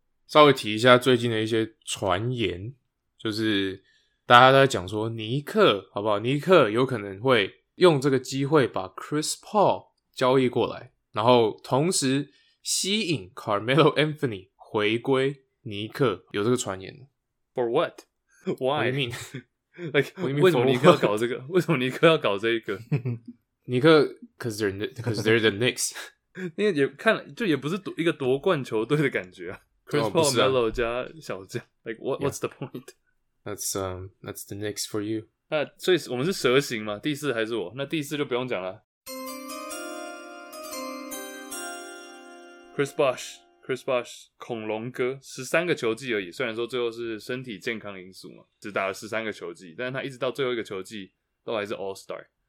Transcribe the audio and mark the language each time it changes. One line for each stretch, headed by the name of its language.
Chinese: 稍微提一下最近的一些传言，就是大家都在讲说尼克好不好？尼克有可能会用这个机会把 Chris Paul 交易过来，然后同时吸引 Carmelo Anthony 回归尼克，有这个传言。
English: For what? Why? What do you mean?
Chinese: Like, 为什么尼克要搞这个？为什么尼克要搞这一个？
English: 尼克 ，cause they're the Knicks，
Chinese: 那也看就也不是一个夺冠球队的感觉啊。
English: Chris Paul、啊、 Melo
Chinese: 加小将
English: ，like what's the point? That's the Knicks for you。
Chinese: 那所以我们是蛇形嘛？第四还是我？那第四就不用讲了。
English: Chris Bosh。
Chinese: Chris Bosh 恐龙哥13个球季而已，虽然说最后是身体健康因素嘛，只打了13个球季，但是他一直到最后一个球季都还是 All Star。